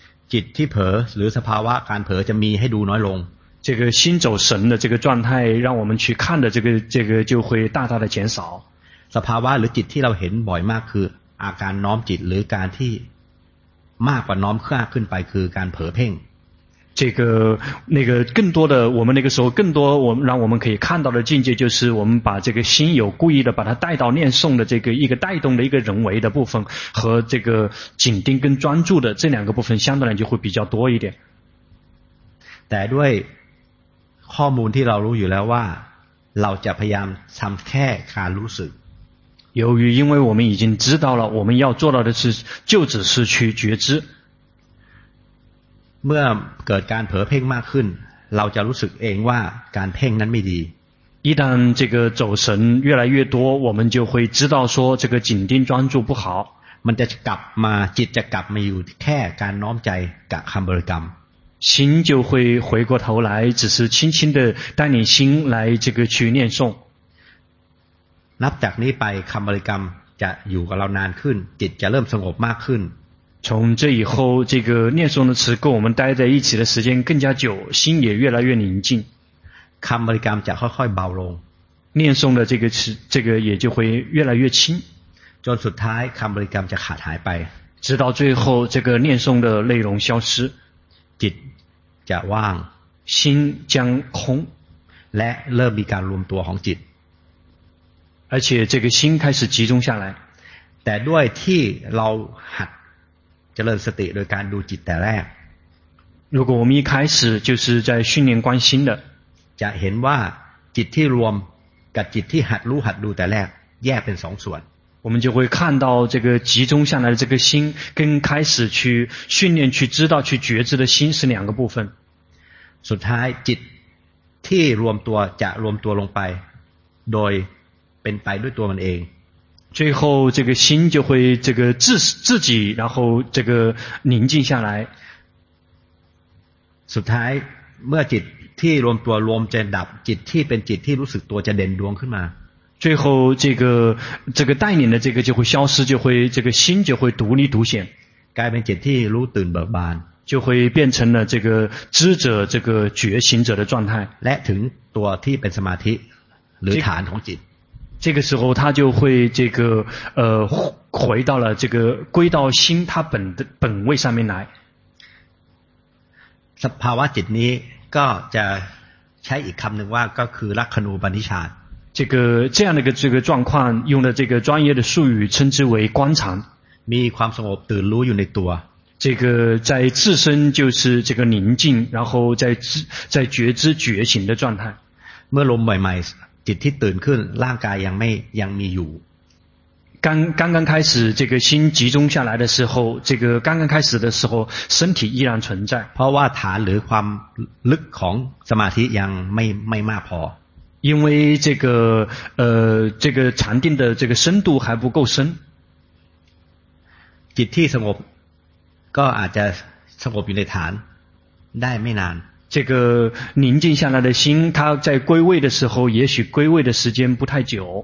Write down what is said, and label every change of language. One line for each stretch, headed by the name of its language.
Thai: จิตที่เผลอหรือสภาวะการเผลอจะมีให้ดูน้อยลง
Chinese: 这个心走神的这个状态让我们去看的这个就会大大的减少。
Thai: สภาวะหรือจิตที่เราเห็นบ่อยมากคืออาการน้อมจิตหรือการที่มากกว่าน้อมข้าขึ้นไปคือการเผลอเพ่ง
Chinese: 这个更多的我们那个时候更多我们让我们可以看到的境界就是我们把这个心有故意的把它带到念诵的这个一个带动的一个人为的部分和这个紧盯跟专注的这两个部分相对来就会比较多一点。
Thai: แต่ด้วยข้อมูลที่เรารู้อยู่แล้วว่าเราจะพยายามทำแค่การรู้สึก
Chinese: 由于因为我们已经知道了我们要做到的是就只是去觉知
Thai: เมื่อเกิดการเผลอเพ่งมากขึ้นเราจะรู้สึกเองว่าการเพ่งนั้นไม่ดี
Chinese: 一旦这个走神越来越多我们就会知道说这个紧盯专注不好
Thai: มันจะกลับมาจิตจะกลับมาอยู่แค่การน้อมใจกับคำบริกรรม
Chinese: 心就会回过头来只是轻轻的带领心来这个去念诵
Thai: นับจากนี้ไปคำบริกรรมจะอยู่กับเรานานขึ้นจิตจะเริ่มสงบมากขึ้น
Chinese: 从这以后这个念诵的词跟我们待在一起的时间更加久心也越来越宁静
Thai: คำบริกรรมจะค่อยค่อยเบาลง
Chinese: 念诵的这个词这个也就会越来越轻
Thai: จนสุดท้ายคำบริกรรมจะขาดหายไป
Chinese: 直到最后这个念诵的内容消失
Thai: จิตจะว่าง
Chinese: 心将空
Thai: และเริ่มมีการรวมตัวของจิต
Chinese: 而且这个心开始集中下来
Thai: แต่ด้วยที่เราหัดเจริญสติโดยการดูจิตแต่แรก
Chinese: 如果我们一开始就是在训练观心的
Thai: จะเห็นว่าจิตที่รวมกับจิตที่หัดรู้หัดดูแต่แรกแยกเป็นสองส่วน
Chinese: 我们就会看到这个集中下来的这个心跟开始去训练去知道去觉知的心是两个部分
Thai: สุดท้ายจิตที่รวมตัวจะรวมตัวลงไปโดยเป็นไปด้วยตัวมันเอง
Chinese: 最后这个心就会这个自己然后这个宁静下来
Thai: สุดท้ายเมื่อจิตที่รวมตัวรวมจะดับจิตที่เป็นจิตที่รู้สึกตัวจะเด่นดวงขึ้นมา
Chinese: 最后这个带领的这个就会消失就会这个心就会独立独显
Thai: กลายเป็นจิตที่รู้ตื่นเบิกบาน
Chinese: 就会变成了这个知者这个觉醒者的状态
Thai: และถึงตัวที่เป็นสมาธิหรือฐานของจิต
Chinese: 这个时候他就会这个回到了这个归到心他本的本位上面来
Thai: สภาวะจิตนี้ก็จะใช้อีกคำหนึ่งว่าก็คือลักขณูปนิชฌาน
Chinese: 这样的个这个状况用了这个专业的术语称之为观禅
Thai: มีความสงบตื่นรู้อยู่ในตัว
Chinese: 这个在自身就是这个宁静然后在觉知觉醒的状态
Thai: เมื่อลมใหม่ๆจิตที่ตื่นขึ้นร่างกายยังมีอยู่
Chinese: 刚刚开始这个心集中下来的时候这个刚刚开始的时候身体依然存在
Thai: เพราะว่าฐานหรือความลึกของสมาธิยังไม่มากพ
Chinese: อ因为这个禅定的这个深度还不够深
Thai: จิตที่สงบก็อาจจะสงบอยู่ในฐานได้ไม่นาน
Chinese: 这个宁静下来的心它在归位的时候也许归位的时间不太久